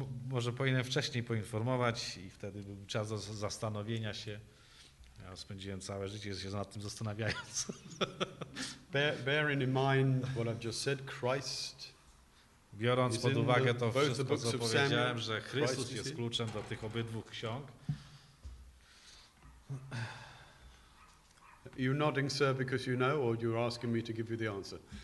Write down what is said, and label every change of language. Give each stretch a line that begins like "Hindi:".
Polish: Może powinienem wcześniej poinformować i wtedy był czas do zastanowienia się. Ja spędziłem całe życie się nad tym zastanawiając.
English: Bearing in mind what I've just said, Christ.
Polish: Biorąc pod uwagę to wszystko, co powiedziałem, że Chrystus jest kluczem do tych obydwu ksiąg.
English: You're nodding, sir, because you know, or you're asking me to give you the answer.